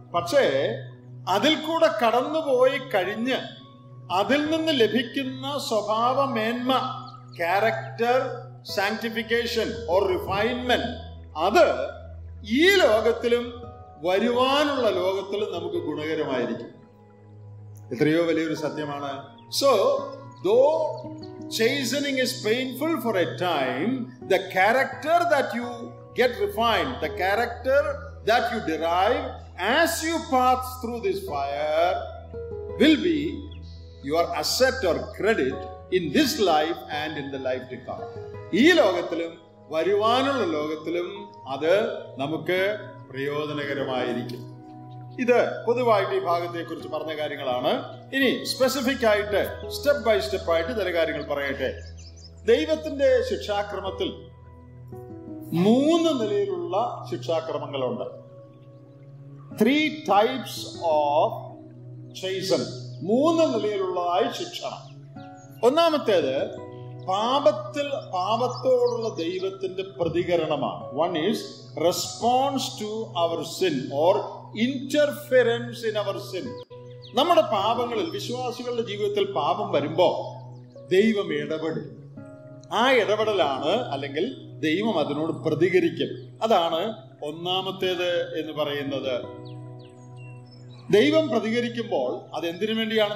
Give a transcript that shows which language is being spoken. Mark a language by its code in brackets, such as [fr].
[ml] പക്ഷേ അതിൽ കൂടെ കടന്നുപോയി കഴിഞ്ഞ് അതിൽ നിന്ന് ലഭിക്കുന്ന സ്വഭാവ മേന്മ, [en] character sanctification or refinement, [ml] അത് ഈ ലോകത്തിലും വരുവാനുള്ള ലോകത്തിലും നമുക്ക് ഗുണകരമായിരിക്കും. എത്രയോ വലിയൊരു സത്യമാണ്. [en] So though chastening is painful for a time, the character that you get refined, the character that you derive as you pass through this fire will be your asset or credit in this life and in the life to come. [ml] ee logathilum varuvanulla logathilum adu namukku prayojanakaramayirikkum. ഇത് പൊതുവായിട്ട് ഈ ഭാഗത്തെ കുറിച്ച് പറഞ്ഞ കാര്യങ്ങളാണ്. ഇനി specific ആയിട്ട് step by step ആയിട്ട് ചില കാര്യങ്ങൾ പറയട്ടെ. ദൈവത്തിന്റെ ശിക്ഷാക്രമത്തിൽ 3 നിലയിലുള്ള ശിക്ഷാക്രമങ്ങളുണ്ട്. [en] 3 types of chastening, 3 [ml] നിലയിലുള്ളതായി ശിക്ഷണം. ഒന്നാമത്തേത് പാപത്തിൽ പാപത്തോടുള്ള ദൈവത്തിന്റെ പ്രതികരണമാണ്. [en] 1 is response to our sin or interference in our sin. [ml] നമ്മുടെ പാപങ്ങളിൽ, വിശ്വാസികളുടെ ജീവിതത്തിൽ പാപം വരുമ്പോ ദൈവം ഇടപെടും. ആ ഇടപെടലാണ് അല്ലെങ്കിൽ ദൈവം അതിനോട് പ്രതികരിക്കും. അതാണ് ഒന്നാമത്തേത് എന്ന് പറയുന്നത്. ദൈവം പ്രതികരിക്കുമ്പോൾ അത് എന്തിനു വേണ്ടിയാണ്?